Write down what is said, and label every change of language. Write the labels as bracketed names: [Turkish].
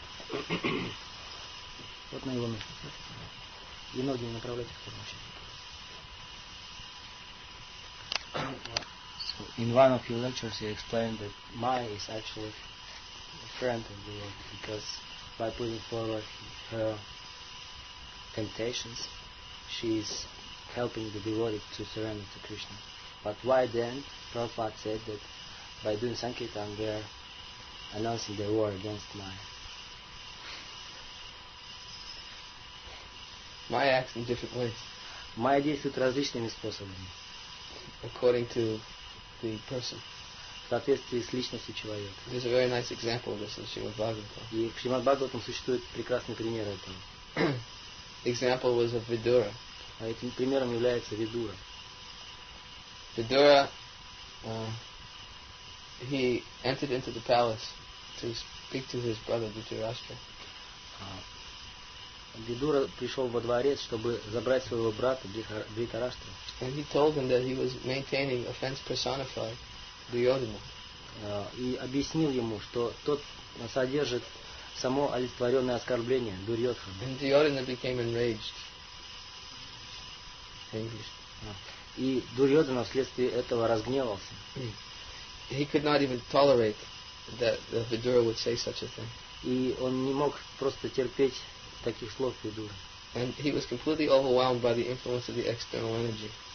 [Russian] Вот на его место. И ноги не направляйте к тому. [English] In one of your lectures you explained that Maya is actually a friend of the world, because by putting forward her temptations, she is helping the devotee to surrender to Krishna. But why then Prabhupada said that by doing Sankirtan we are announcing the war against Maya? Maya acts in different ways. [Russian] Maya действует различными способами. [English] According to the person. [Russian] В соответствии с личностью человека. [English] There's a very nice example of this in Srimad Bhagavatam. [Russian] И в Шримад Бхагаватам существует прекрасный пример этого. [English] Example was of Vidura. [Russian] А этим примером является Видура. [English] Vidura, he entered into the palace to speak to his brother Dhritarashtra. [Russian] Vidura пришел во дворец, чтобы забрать своего брата Дхритарашту. [English] And he told him that he was maintaining offense personified Duryodhana. [Russian] И объяснил ему, что тот содержит само олицетворенное оскорбление Дурьотхана. [English] And Duryodhana became enraged. [Russian] И Дурьодхана вследствие этого разгневался. [English] He could not even tolerate that Vidura would say such a thing. [Russian] И он не мог просто терпеть таких слов Видуры. [English] And he was completely overwhelmed by the influence of the external energy.